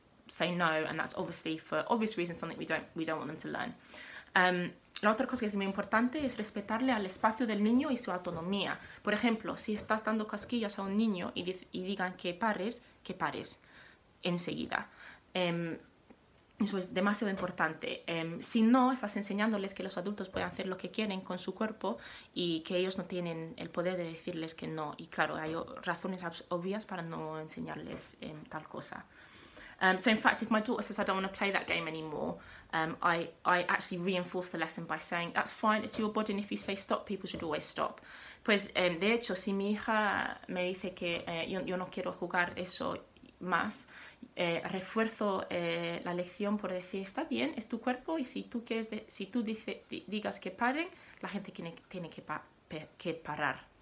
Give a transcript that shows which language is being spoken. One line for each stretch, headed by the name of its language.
English: say no, and that's obviously for obvious reasons something we don't want them to learn.
Spanish: La otra cosa que es muy importante es respetarle al espacio del niño y su autonomía. Por ejemplo, si estás dando cosquillas a un niño y digan que pares enseguida. Eso es demasiado importante. Si no, estás enseñándoles que los adultos pueden hacer lo que quieren con su cuerpo y que ellos no tienen el poder de decirles que no. Y claro, hay razones obvias para no enseñarles tal cosa.
English: So in fact, if my daughter says, I don't want to play that game anymore, I actually reinforce the lesson by saying, that's fine, it's your body, and if you say stop, people should always stop.
Spanish: Pues, de hecho, si mi hija me dice que yo no quiero jugar eso más, refuerzo la lección por decir, está bien, es tu cuerpo, y si tú quieres, si tú digas que paren, la gente tiene que parar.